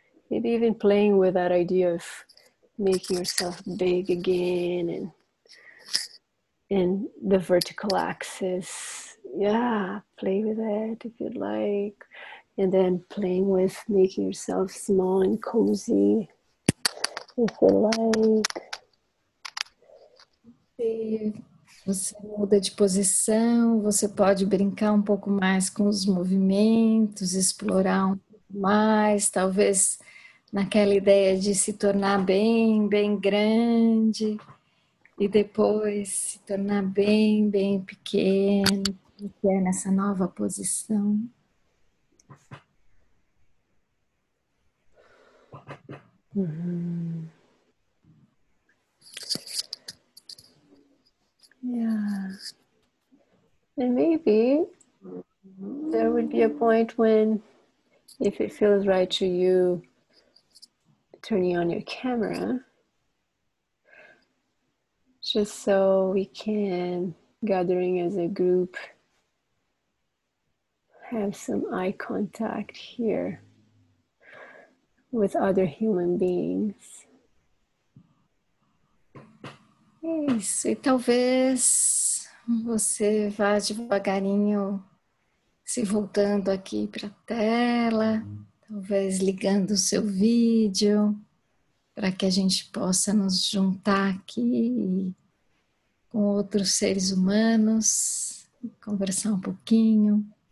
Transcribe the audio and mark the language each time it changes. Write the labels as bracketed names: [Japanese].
[English] Maybe even playing with that idea of making yourself big again and the vertical axis. Yeah, play with that if you'd like. And then playing with making yourself small and cozy if you like. [Portuguese] Você muda de posição, você pode brincar um pouco mais com os movimentos, explorar um pouco mais, talvez naquela ideia de se tornar bem, bem grande e depois se tornar bem, bem pequeno, que é nessa nova posição. [English] Yeah, and maybe there would be a point when, if it feels right to you, turning on your camera, just so we can, gathering as a group, have some eye contact here with other human beings. [Portuguese] Isso, e talvez você vá devagarinho se voltando aqui para a tela, talvez ligando o seu vídeo, para que a gente possa nos juntar aqui com outros seres humanos, conversar um pouquinho.